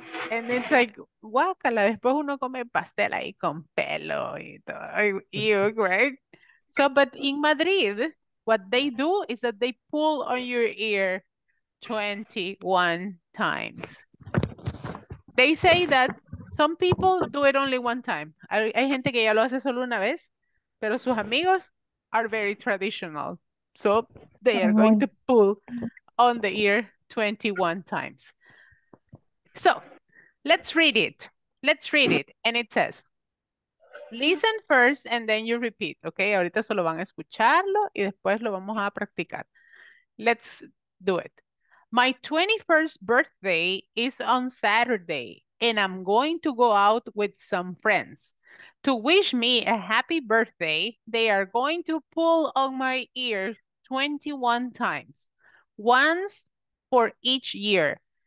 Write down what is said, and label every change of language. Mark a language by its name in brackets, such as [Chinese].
[English] And it's like, [Spanish] guacala, después uno come pastel ahí con pelo y todo. [English] You, right? So, but in Madrid, what they do is that they pull on your ear 21 times. They say that some people do it only one time. [Spanish] Hay gente que ya lo hace solo una vez, pero sus amigos [English] are very traditional. So they are going to pull on the ear 21 times. So let's read it. Let's read it. And it says, listen first and then you repeat, okay? [Spanish] Ahorita solo van a escucharlo y después lo vamos a practicar. [English] Let's do it. My 21st birthday is on Saturday and I'm going to go out with some friends. To wish me a happy birthday, they are going to pull on my ear 21 times, once for each year.